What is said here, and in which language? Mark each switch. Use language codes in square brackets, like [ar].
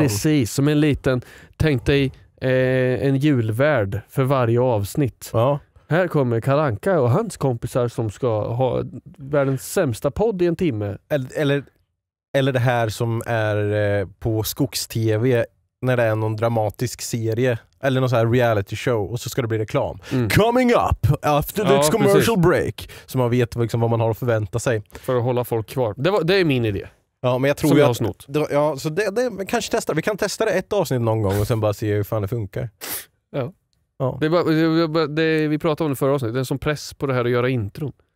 [sv] Precis, som en liten, tänk dig en julvärld för varje avsnitt. Ja. Här kommer Karanka och hans kompisar som ska ha världens sämsta podd i en timme. Eller det här som är på skogs-tv när det är någon dramatisk serie. Eller någon sån här reality show och så ska det bli reklam. Mm. [en] Coming up after the commercial break. [sv] Så man vet liksom vad man har att förvänta sig. För att hålla folk kvar. Det är min idé. Ja, men jag tror som jag har snott. Kanske testa. Vi kan testa det ett avsnitt någon gång och sen bara se hur fan det funkar. Ja. Ja. Det vi pratade om det förra avsnittet, det är som press på det här att göra intron.